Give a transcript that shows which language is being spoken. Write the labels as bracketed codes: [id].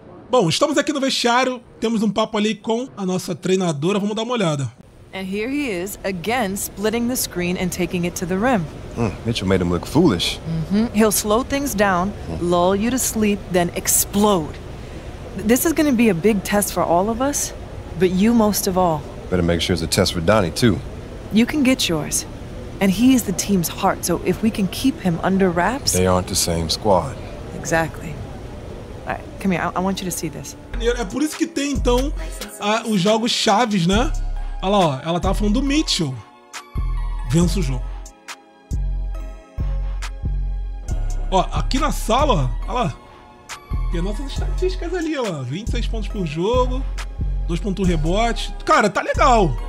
[pt] Bom, estamos aqui no vestiário, temos um papo ali com a nossa treinadora, vamos dar uma olhada. [en] And here he is again splitting the screen and taking it to the rim. Mitchell made him look foolish. He'll slow things down, lull you to sleep, then explode. This is going to be a big test for all of us, but you most of all. Better make sure it's a test for Donnie too. You can get yours. And he is the team's heart, so if we can keep him under wraps. They aren't the same squad. Exactly. Come here, I want you to see this. [pt] É por isso que tem, então, os jogos chaves, né? Olha lá, ó, ela tava falando do Mitchell. Vença o jogo. Ó, aqui na sala, olha lá. Tem nossas estatísticas ali, ó. 26 pontos por jogo, 2.1 rebote. Cara, tá legal.